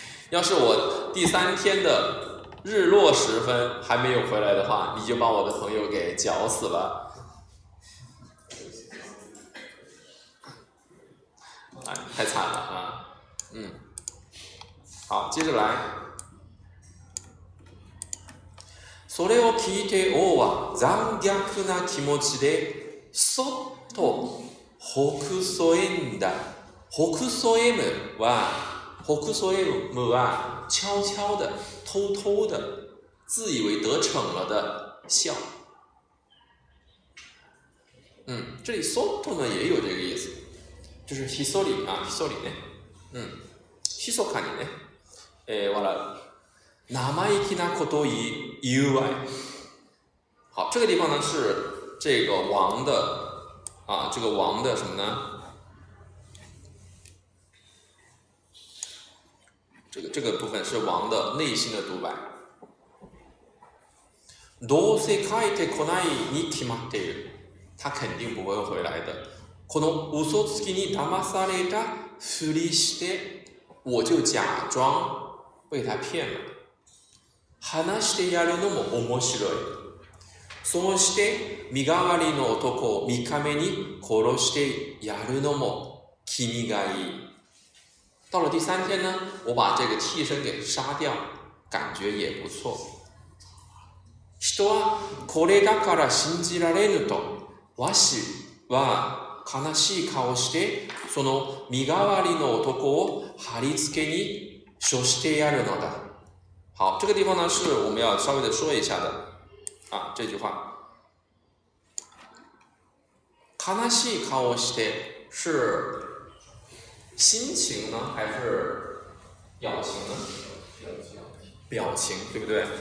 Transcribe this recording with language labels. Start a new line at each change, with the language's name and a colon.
Chinese: 要是我第三天的日落时分还没有回来的话，你就把我的朋友给绞死了。哎，太惨了啊。嗯。好，接着来。
Japanese: それを聞いて王は残虐な気持ちでそっとほくそえんだ。ほくそえむは、ほくそえむは
Chinese: 悄悄的、偷偷的、自以为得逞了的笑。嗯，这里
Japanese: soto
Chinese: 呢也有这个意思，就是
Japanese: hisori 啊 ，hisori
Chinese: 呢，嗯 ，
Japanese: hisokani
Chinese: 呢，哎，完了，
Japanese: 生意気なことを言うわい。
Chinese: 好，这个地方呢是这个王的啊，这个王的什么呢？这个部分是王的内心的独白。
Japanese: どうせ帰ってこないに決まっている。
Chinese: 他肯定不会回来的。
Japanese: この嘘つきに騙されたふりして、
Chinese: 我就假装被他骗了。
Japanese: 話してやるのも面白い。そうして身代わりの男を3日目に殺してやるのも君がいい。
Chinese: 到了第三天呢，我把这个替身给杀掉，感觉也不错。
Japanese: 人はこれだから信じられぬと、わしは悲しい顔してその身代わりの男を貼り付けに処してやるのだ。
Chinese: 好，这个地方呢是我们要稍微的说一下的啊，这句话。
Japanese: 悲しい顔して
Chinese: 是。心情呢还是表情呢？表情，对不对？